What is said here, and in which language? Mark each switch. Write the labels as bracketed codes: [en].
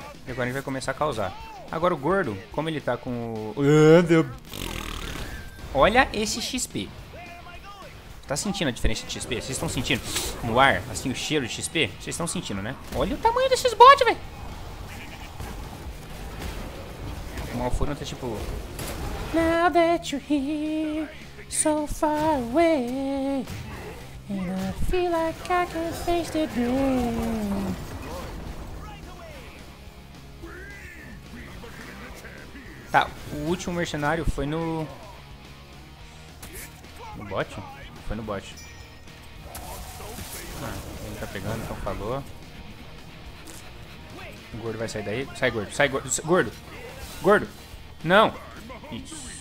[pt] E agora ele vai começar a causar. Agora o gordo, como ele tá com o... Olha esse XP. Tá sentindo a diferença de XP? Vocês estão sentindo no ar, assim, o cheiro de XP? Vocês estão sentindo, né? Olha o tamanho desses bots, velho. O Malfurion tá tipo... [en] Now that you're here, so far away, and I feel like I can face the dream. [pt] Tá, o último mercenário foi no... No bot? Foi no bot. Ah, ele tá pegando, então falou. O gordo vai sair daí. Sai, gordo. Sai, gordo. Gordo. Não. Isso.